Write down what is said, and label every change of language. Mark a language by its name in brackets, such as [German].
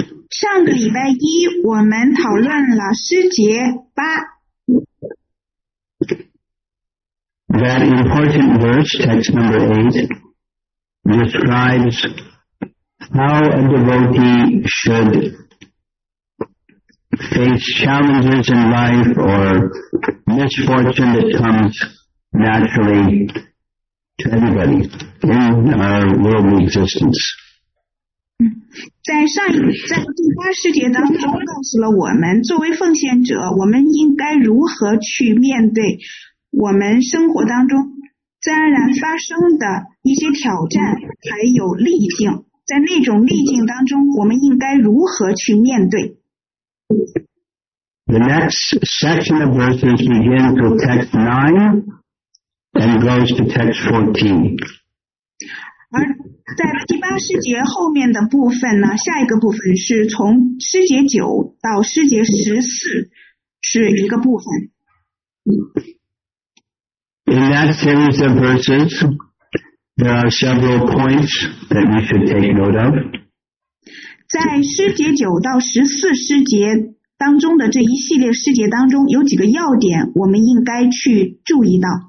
[Chinese] 上个礼拜一我们讨论了诗节八。 [English] That important verse, text number 8, describes how a devotee should face challenges in life or misfortune that comes naturally to anybody in our worldly existence. [Chinese] 在第八诗节当中告诉了我们，作为奉献者，我们应该如何去面对我们生活当中自然而然发生的一些挑战，还有逆境。在那种逆境当中，我们应该如何去面对 [English] ？The next section of verses begins to text 9. And goes to text 14. [Chinese] 而在第八诗节后面的部分呢，下一个部分是从诗节九到诗节十四是一个部分。 [English] In that series of verses, there are several points that we should take note of. [Chinese] 在诗节九到十四诗节当中的这一系列诗节当中，有几个要点我们应该去注意到。